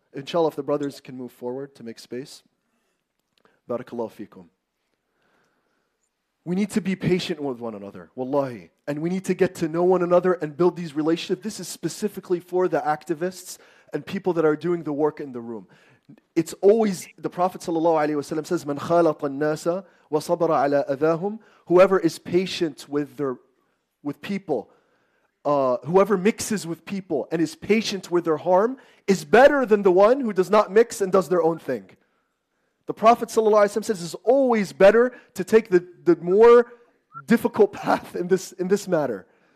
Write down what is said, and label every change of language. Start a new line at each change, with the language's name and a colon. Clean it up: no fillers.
English: Inshallah, if the brothers can move forward to make space. Barakallahu feekum. We need to be patient with one another, wallahi. And we need to get to know one another and build these relationships. This is specifically for the activists and people that are doing the work in the room. It's always, the Prophet ﷺ says,
Arabic: مَنْ خَالَطَ النَّاسَ وَصَبَرَ عَلَىٰ أَذَاهُمْ.
English: Whoever is patient whoever mixes with people and is patient with their harm is better than the one who does not mix and does their own thing. The Prophet ﷺ says it's always better to take the more difficult path in this matter.